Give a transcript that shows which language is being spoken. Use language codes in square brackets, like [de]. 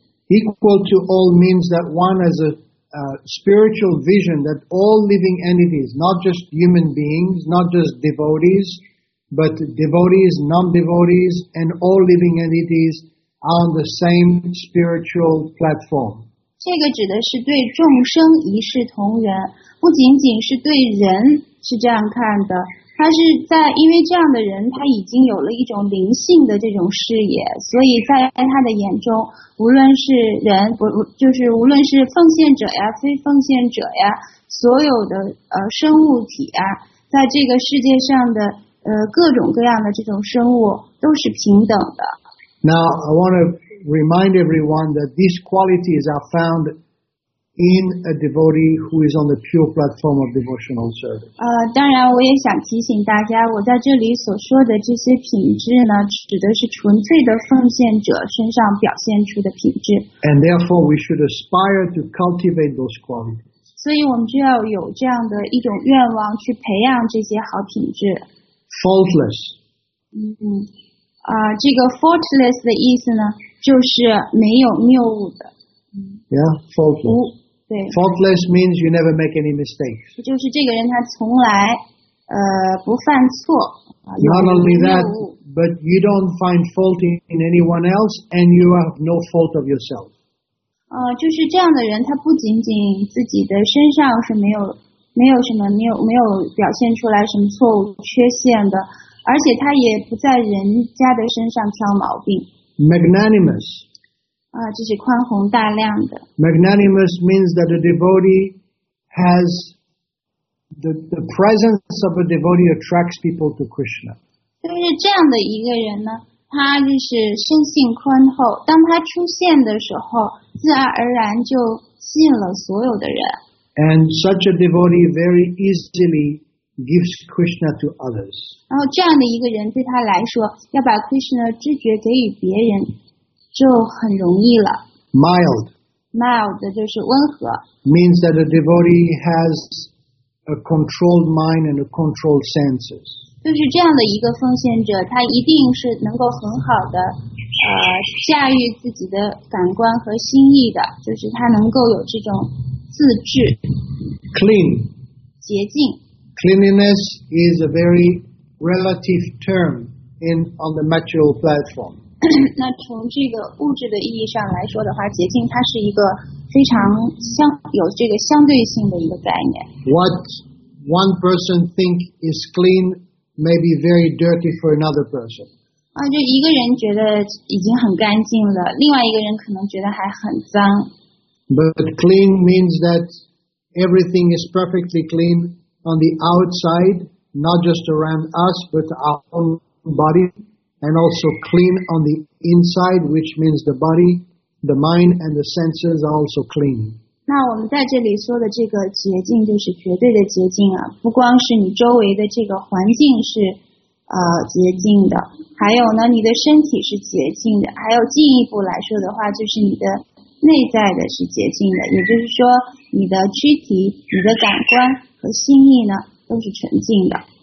[en] Equal to all means that one has a spiritual vision that all living entities, not just human beings, not just devotees, but devotees, non-devotees, and all living entities are on the same spiritual platform. [zh] 这个指的是对众生一视同仁，不仅仅是对人是这样看的。他是在因为这样的人他已经有了一种灵性的这种视野，所以在他的眼中，无论是人，就是无论是奉献者呀，非奉献者呀，所有的生物体啊，在这个世界上的各种各样的这种生物都是平等的。 [en] Now I want to remind everyone that these qualities are foundin a devotee who is on the pure platform of devotional service. [zh] 当然我也想提醒大家，我在这里所说的这些品质呢，指的是纯粹的奉献者身上表现出的品质。 [en] And therefore we should aspire to cultivate those qualities. [zh] 所以我们就要有这样的一种愿望去培养这些好品质。 [en] Faultless. [zh] 这个 faultless 的意思呢，就是没有谬误的。 [en] Yeah, faultless. [zh] 对。 [en] Faultless means you never make any mistakes. [zh] 就是这个人他从来不犯错。 [en] Not only that, but you don't find fault in anyone else, and you have no fault of yourself. [zh] 就是这样的人，他不仅仅自己的身上是没有什么没有表现出来什么错误缺陷的，而且他也不在人家的身上挑毛病。 [en] Magnanimous. [zh] 这是宽宏大量的。 [en] Magnanimous means that a devotee has the presence of a devotee attracts people to Krishna. [zh] 就是这样的一个人呢，他就是身性宽厚，当他出现的时候，自然而然就吸引了所有的人。 [en] And such a devotee very easily gives Krishna to others. [zh] 然后这样的一个人对他来说，要把 Krishna 知觉给予别人，就很容易了。 [en] Mild [zh] 就是温和。 [en] Means that a devotee has a controlled mind and a controlled senses. [zh] 就是这样的一个奉献者，他一定是能够很好的驾驭自己的感官和心意的，就是他能够有这种。自制 [en] clean [zh] 洁净 [en] cleanliness is a very relative term on the material platform. [zh] 那从这个物质的意义上来说的话，洁净它是一个非常有这个相对性的一个概念。 [en] What one person thinks is clean may be very dirty for another person. [zh] 就一个人觉得已经很干净了，另外一个人可能觉得还很脏。 [en] But clean means that everything is perfectly clean on the outside, not just around us, but our own body, and also clean on the inside, which means the body, the mind, and the senses are also clean. [zh] 那我们在这里说的这个洁净就是绝对的洁净啊，不光是你周围的这个环境是洁净的，还有呢，你的身体是洁净的，还有进一步来说的话，就是你的。内在的是洁净的，也就是说，你的躯体、你的感官和心意呢，都是纯净的。